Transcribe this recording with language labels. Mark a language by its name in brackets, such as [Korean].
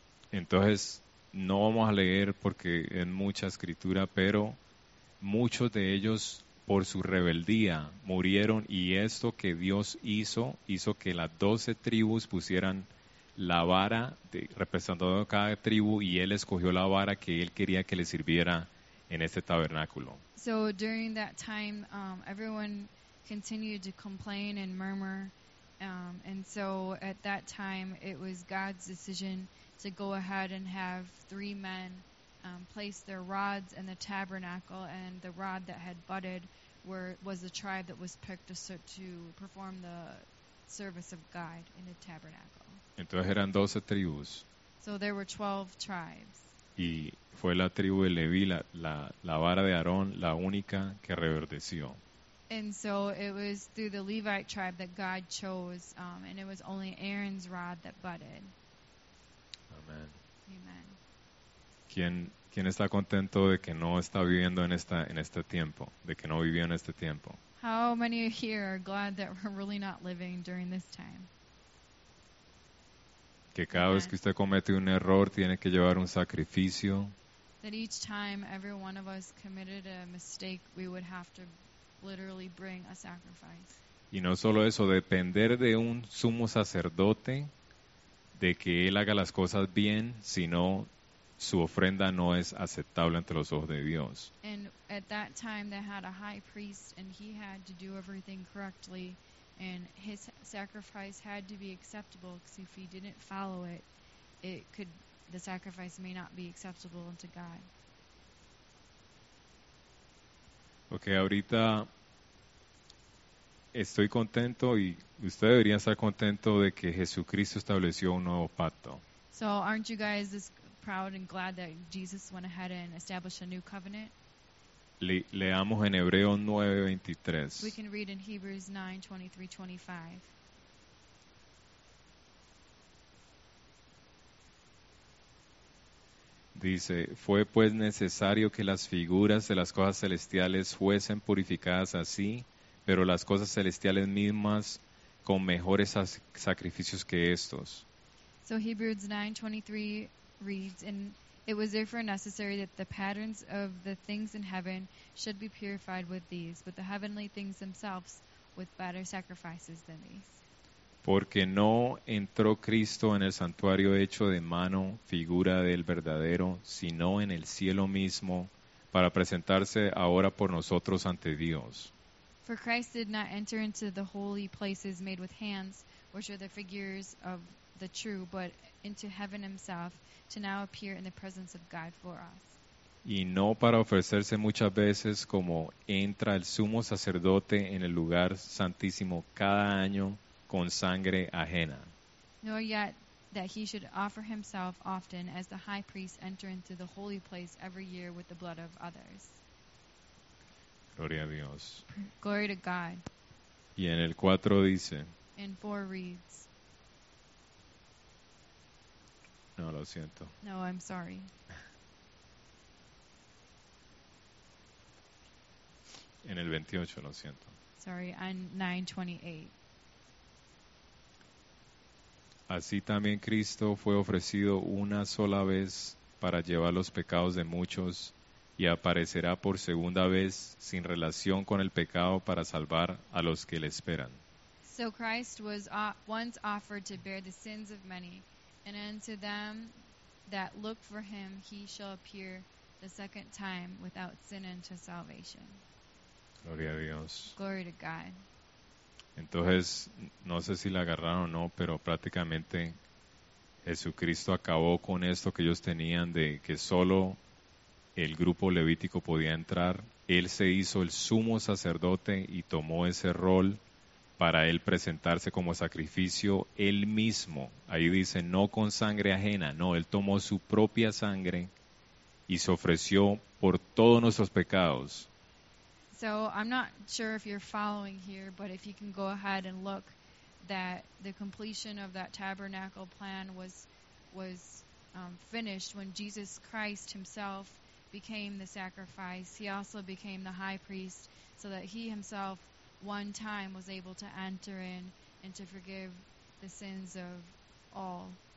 [Spanish] Entonces, no vamos a leer porque es mucha escritura, pero muchos de ellos, por su rebeldía, murieron, y esto que Dios hizo, hizo que las 12 tribus pusieran la vara de, representando a cada tribu, y él escogió la vara que él quería que le sirviera en este tabernáculo. [English] So during that time, everyone continued to complain and murmur, and so at that time, it was God's decision to go ahead and have 3 men place their rods in the tabernacle, and the rod that had budded was the tribe that was picked to perform the service of God in the tabernacle. [Spanish] Entonces eran 12 tribus. [English] So there were 12 tribes. [Spanish] Y fue la tribu de Leví, la vara de Aarón, la única que reverdeció. [English] And so it was through the Levite tribe that God chose, and it was only Aaron's rod that budded. [Spanish] Amen. [English] Amen. [Spanish] ¿Quién está contento de que no está viviendo en este tiempo, de que no vivió en este tiempo? [English] How many here are glad that we're really not living during this time? [Spanish] Que cada vez que usted comete un error tiene que llevar un sacrificio. [English] That each time every one of us committed a mistake, we would have to literally bring a sacrifice. [Spanish] Y no solo eso, depender de un sumo sacerdote, de que él haga las cosas bien, sino su ofrenda no es aceptable ante los ojos de Dios. [English] And at that time they had a high priest, and he had to do everything correctly, and his sacrifice had to be acceptable, because if he didn't follow it, the sacrifice may not be acceptable unto God. [Spanish] Okay, ahorita estoy contento, y usted debería estar contento de que Jesucristo estableció un nuevo pacto. [English] So aren't you guys proud and glad that Jesus went ahead and established a new covenant? [Spanish] Leamos en Hebreos 9:23. [English] We can read in Hebrews 9:23-25. [Spanish] Dice, fue pues necesario que las figuras de las cosas celestiales fuesen purificadas así, pero las cosas celestiales mismas con mejores sacrificios que estos. [English] So Hebrews 9:23 reads, and it was therefore necessary that the patterns of the things in heaven should be purified with these, but the heavenly things themselves with better sacrifices than these. [Spanish] Porque no entró Cristo en el santuario hecho de mano, figura del verdadero, sino en el cielo mismo, para presentarse ahora por nosotros ante Dios. [English] For Christ did not enter into the holy places made with hands, which are the figures of the true, but into heaven himself, to now appear in the presence of God for us. [Spanish] Y no para ofrecerse muchas veces como entra el sumo sacerdote en el lugar santísimo cada año, con sangre ajena. [English] Nor yet that he should offer himself often as the high priest enter into the holy place every year with the blood of others. [Spanish] Gloria a Dios. [English] Glory to God. [Spanish] Y en el 4 dice. [English] In 4 reads. [Spanish] No, lo siento. [English] No, I'm sorry. [Spanish] En el 28, lo siento. [English] Sorry, on 9:28. [Spanish] Así también Cristo fue ofrecido una sola vez para llevar los pecados de muchos y aparecerá por segunda vez sin relación con el pecado para salvar a los que le esperan. [English] So Christ was once offered to bear the sins of many, and unto them that look for him he shall appear the second time without sin unto salvation. [Spanish] Gloria a Dios. [English] Glory to God. [Spanish] Entonces, no sé si la agarraron o no, pero prácticamente Jesucristo acabó con esto que ellos tenían de que solo el grupo levítico podía entrar. Él se hizo el sumo sacerdote y tomó ese rol para él presentarse como sacrificio él mismo. Ahí dice, no con sangre ajena, no, él tomó su propia sangre y se ofreció por todos nuestros pecados. [English] So I'm not sure if you're following here, but if you can go ahead and look, that the completion of that tabernacle plan was finished when Jesus Christ himself became the sacrifice. He also became the high priest so that he himself one time was able to enter in and to forgive the sins of all.